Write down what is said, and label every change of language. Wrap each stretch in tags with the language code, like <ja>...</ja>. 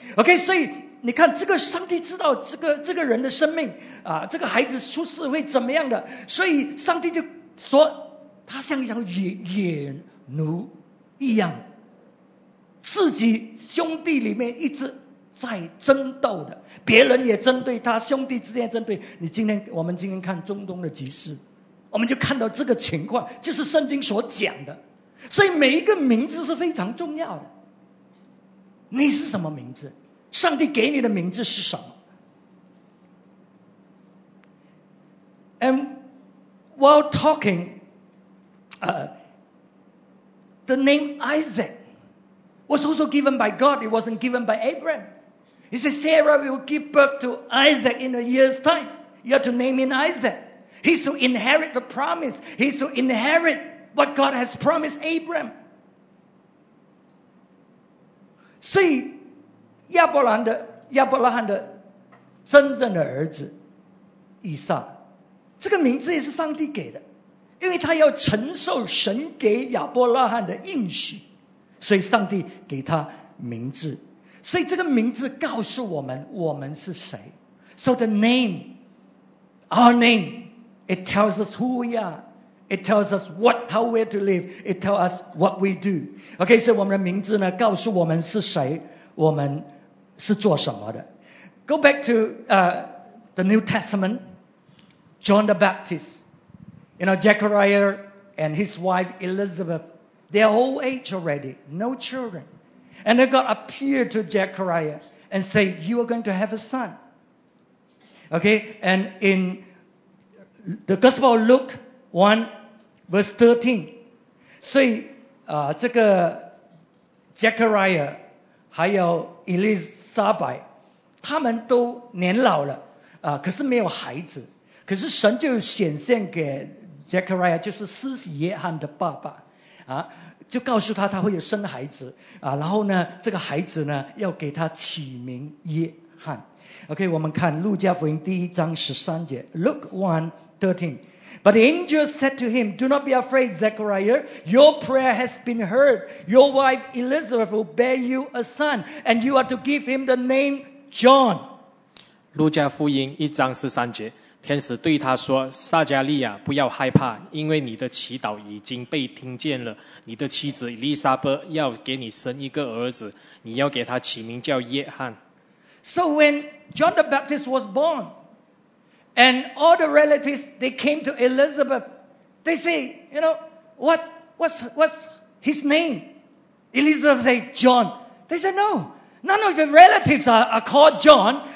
<zh>Okay, so你看这个上帝知道这个人的生命啊，这个孩子出世会怎么样的，所以上帝就说他像一条野奴一样，自己兄弟里面一直在争斗的，别人也针对他，兄弟之间争对。你今天我们今天看中东的局势，我们就看到这个情况，就是圣经所讲的。所以每一个名字是非常重要的。你是什么名字？上帝给你的名字是什么？</zh> <en>And while talking, The name Isaac was also given by God. It wasn't given by Abraham. He said, Sarah will give birth to Isaac in a year's time. You have to name him Isaac. He's to inherit the promise. He's to inherit what God has promised Abraham.</en> <zh>所以亚伯拉罕的真正的儿子以撒，这个名字也是上帝给的。因为他要承受神给亚伯拉罕的应许，所以上帝给他名字。所以这个名字告诉我们，我们是谁。</zh> <en>So the name, our name, it tells us who we are. It tells us what, how we're to live. It tells us what we do. Okay, so</en> <zh>我们的名字呢，告诉我们是谁，我们是做什么的。</zh> <en>Go back to the New Testament. John the Baptist. You know, Zechariah and his wife Elizabeth. They're old age already. No children. And God appeared to Zechariah and said, you are going to have a son. Okay, and in the Gospel of Luke 1, verse 13.</en> <zh>所以这个 Zechariah 还有 Elizabeth 他们都年老了可是没有孩子。可是神就显现给 Zechariah 就是施洗约翰的爸爸就告诉他他会有生孩子然后呢这个孩子呢要给他起名约翰。 OK, 我们看路加福音第一章十三节 Luke 1:13.</zh> <en>But the angel said to him, do not be afraid, Zechariah. Your prayer has been heard. Your wife Elizabeth will bear you a son, and you are to give him the name John.</en> <zh>路加福音一章十三节天使对他说撒加利亚不要害怕因为你的祈祷已经被听见了你的妻子伊丽莎伯要给你生一个儿子你要给他起名叫约翰。</zh> <en>So when John the Baptist was born, and all the relatives, they came to Elizabeth. They say, you know, what's his name? Elizabeth said, John. They said, no, none of your relatives are called John.</en>